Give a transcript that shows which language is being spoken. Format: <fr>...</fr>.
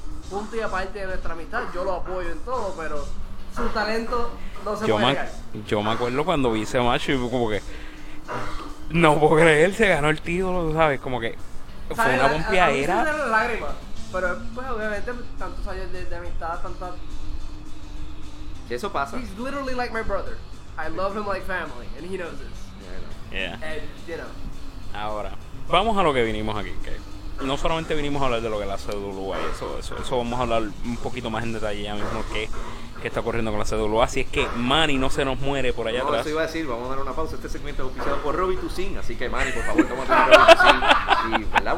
<es>Punto y aparte de nuestra amistad, yo lo apoyo en todo, pero su talento no se puede negar. Yo me acuerdo cuando vi ese match y como que no puedo creer, se ganó el título, ¿sabes? Como que fue una pompeadera. A mí sí me dio lágrimas, pero pues obviamente tantos años de amistad, tantas... Eso pasa.</es> <en>He's literally like my brother. I love him like family, and he knows this. Yeah. And, you know.</en> <es>Ahora, vamos a lo que vinimos aquí, que no solamente vinimos a hablar de lo que la CWA y eso vamos a hablar un poquito más en detalle ya mismo, qué está ocurriendo con la CWA. Así es que Manny no se nos muere por allá, no, atrás. No, eso iba a decir, vamos a dar una pausa. Este segmento es oficiado por Robbie Tucín, así que Manny, por favor, toma Robbie Tucín. Y, ¿verdad?</es>